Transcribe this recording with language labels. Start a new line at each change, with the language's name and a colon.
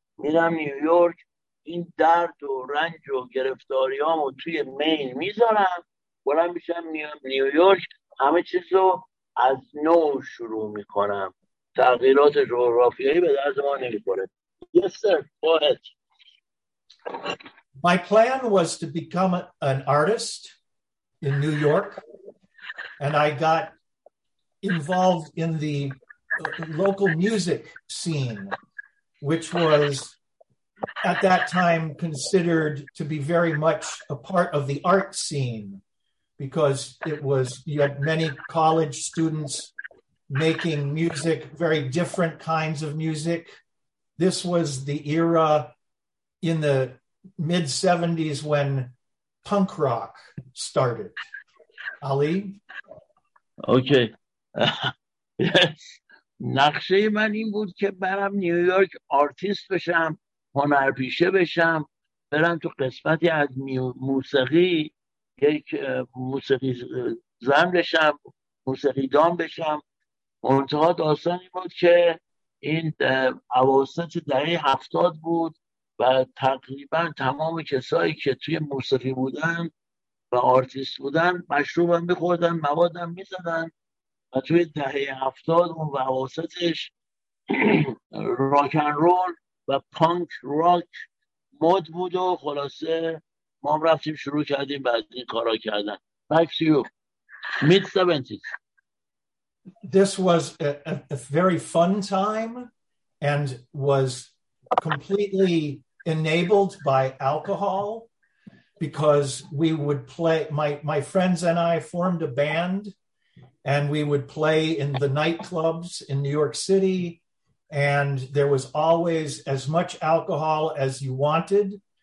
Persian: میرم نیویورک، این درد و رنج و گرفتاریامو توی مین میذارم، بلند میشم میام نیویورک، همه چیزو از نو شروع میکنم. تغییرات جغرافیایی به درد ما نمیخوره.
English: Yes sir, go ahead. My plan was to become an artist in New York, and I got involved in the local music scene, which was at that time considered to be very much a part of the art scene, because it was, you had many college students making music, very different kinds of music. This was the era in the mid 70s when punk rock started. Ali? Okay. Yes.
Persian: نقشه من این بود که برم نیویورک آرتیست بشم، هنرپیشه بشم، برم تو قسمتی از موسیقی، یک موسیقی زن بشم، موسیقی دان بشم. منتها داستانی بود که این اواسط دهه 70 بود و تقریبا تمام کسایی که توی موسیقی بودن و آرتیست بودن مشروبم می‌خوردن، موادم می‌زدن و توی دهه 70 اون و اواسطش راک اند رول و پانک راک مود بود و خلاصه ما هم رفتیم شروع کردیم بعد این کارا کردن.
English: Back to you. Mid 70s. this was a very fun time and was completely enabled by alcohol, because we would play, my friends and I formed a band, and we would play in the nightclubs in New York City, and there was always as much alcohol as you wanted.